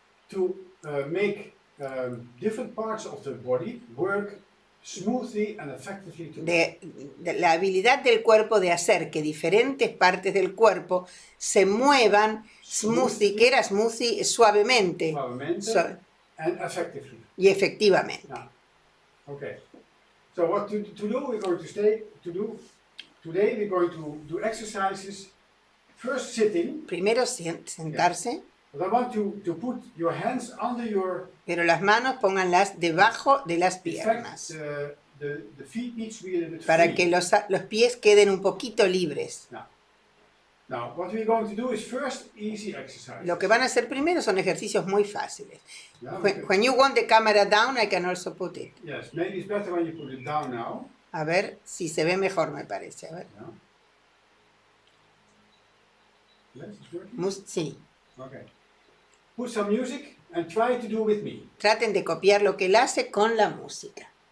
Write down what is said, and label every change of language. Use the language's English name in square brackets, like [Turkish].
[English] to make different parts of the body work smoothly and effectively together. [Spanish] De la habilidad del cuerpo de hacer que diferentes partes del cuerpo se muevan smoothly, que era smoothly, suavemente, [English] and effectively. [Spanish] Y efectivamente. [English] Yeah. Okay. So what to do? We're going to stay to do today. We're going to do exercises. First sitting. [Spanish] Primero sentarse. [English] Yeah. But I want to put your hands under your. [Spanish] Pero las manos pónganlas debajo de las piernas. [English] The feet need to be a little bit [Spanish] para [English] free. [Spanish] Que los pies queden un poquito libres. [English] Yeah. Now, what we're going to do is first easy exercise. [Spanish] Lo que van a hacer primero son ejercicios muy fáciles. [English] Yeah, okay. When you want the camera down, I can also put it. Yes, maybe it's better when you put it down now. [Spanish] A ver si se ve mejor, me parece. A ver. [English] Yeah. Yes, [Spanish] sí. [English] Okay. Put some music and try to do with me. [Spanish] Traten de copiar lo que él hace con la música.